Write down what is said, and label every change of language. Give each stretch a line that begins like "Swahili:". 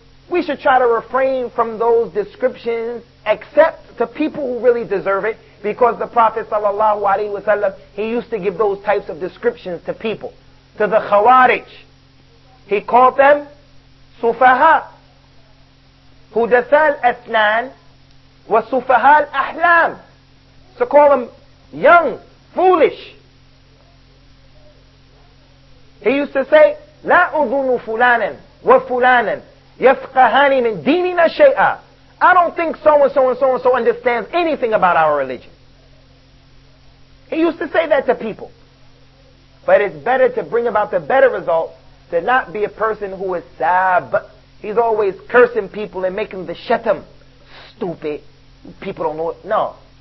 English: We should try to refrain from those descriptions, except to people who really deserve it, because the Prophet sallallahu alaihi wasallam, he used to give those types of descriptions to people, to the Khawarij. He called them Sufaha, Hudathal Asnan, wa Sufahal Ahlam. So call them young, foolish. He used to say,
Arabic: لا أظن فلانا وفلانا يفقهان من ديننا شيئا.
English: I don't think so-and-so-and-so-and-so understands anything about our religion. He used to say that to people. But it's better to bring about the better result to not be a person who is sab. He's always cursing people and making the shatam stupid. People don't know it. No.